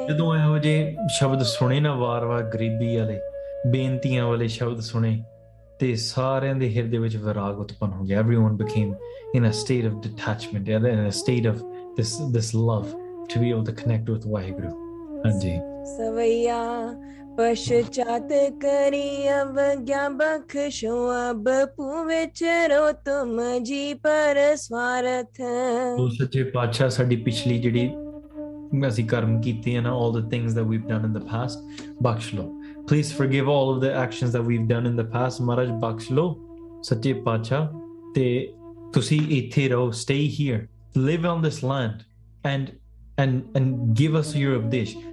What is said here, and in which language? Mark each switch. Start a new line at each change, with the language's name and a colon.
Punjabi: ਜਦੋਂ ਇਹੋ ਜਿਹੇ ਸ਼ਬਦ ਸੁਣੇ ਨਾ ਵਾਰ ਵਾਰ, ਗਰੀਬੀ ਵਾਲੇ ਬੇਨਤੀਆਂ ਵਾਲੇ ਸ਼ਬਦ ਸੁਣੇ, ਤੇ ਸਾਰਿਆਂ ਦੇ ਹਿਰਦੇ ਵਿੱਚ ਵਿਰਾਗ ਉਤਪੰਨ ਹੋ ਗਿਆ.
English: Everyone became in a state of detachment, in a state of this love to be able to connect with Waheguru.
Punjabi: ਹਾਂਜੀ. ਸਵਈਆ ਪਸ਼ਚਾਤ ਕਰੀ ਅਵਗਿਆ ਬਖਸ਼ੋ ਅਬ ਪੂ ਵਿਚਰੋ ਤੁਮ ਜੀ ਪਰ ਸਵਾਰਥ. ਉਹ ਸੱਚੇ ਪਾਤਸ਼ਾਹ, ਸਾਡੀ ਪਿਛਲੀ ਜਿਹੜੀ ਅਸੀਂ ਕਰਮ ਕੀਤੇ ਆ ਨਾ,
English: all the things that we've done in the past,
Punjabi: ਬਖਸ਼ ਲਓ,
English: Please forgive all of the actions that we've done in the past.
Punjabi: Maharaj baksh lo, sachi pacha, te tusi ithe raho,
English: stay here. Live on this land and give us your updesh.